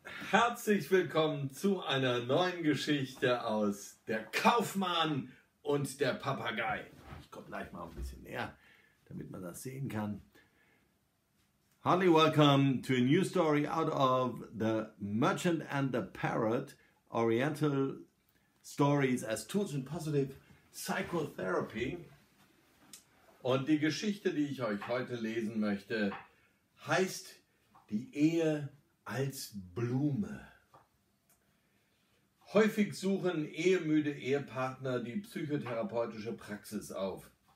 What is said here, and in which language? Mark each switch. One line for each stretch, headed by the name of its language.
German: herzlich willkommen zu einer neuen Geschichte aus Der Kaufmann und der Papagei. Ich komme gleich mal ein bisschen näher, damit man das sehen kann.
English: Heartily welcome to a new story out of The Merchant and the Parrot, Oriental Stories as Tools in Positive Psychotherapy.
German: Und die Geschichte, die ich euch heute lesen möchte, heißt Die Ehe als Blume. Häufig suchen ehemüde Ehepartner die psychotherapeutische Praxis auf.